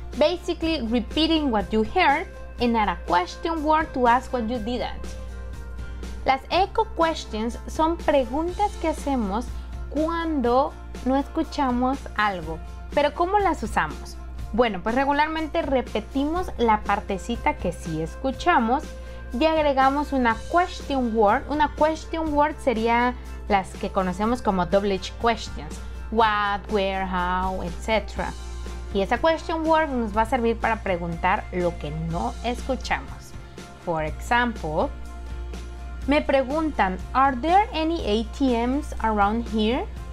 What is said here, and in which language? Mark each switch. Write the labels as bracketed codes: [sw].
[en] Basically, repeating what you heard and not a question word to ask what you didn't. [es] Las echo questions son preguntas que hacemos cuando no escuchamos algo. Pero ¿cómo las usamos? Bueno, pues regularmente repetimos la partecita que sí escuchamos y agregamos una question word. Una question word sería las que conocemos como WH questions. [en] What, where, how, etc. [es] Y esa question word nos va a servir para preguntar lo que no escuchamos. [en] For example, [es] me preguntan, [en] are there any ATMs around here?